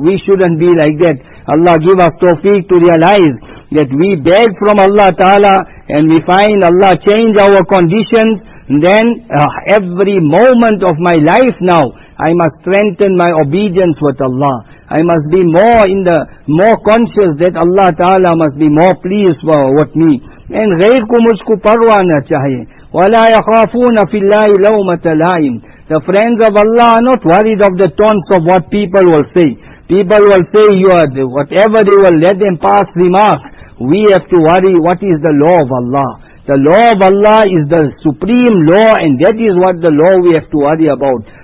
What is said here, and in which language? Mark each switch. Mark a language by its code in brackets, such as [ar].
[en] We shouldn't be like that. Allah give us tawfiq to realize that we beg from Allah Ta'ala and we find Allah change our conditions. Then every moment of my life now, I must strengthen my obedience with Allah. I must be more conscious that Allah Ta'ala must be more pleased with me. [ur] And غير کو مجھ کو پروا نہ چاہیے [ar] وَلَا يَخَافُونَ فِي اللَّهِ لَوْمَةَ لَائِمٍ. [en] The friends of Allah are not worried of the taunts of what people will say. People will say, you are whatever they will let them pass remarks. We have to worry what is the law of Allah. The law of Allah is the supreme law and that is what the law we have to worry about.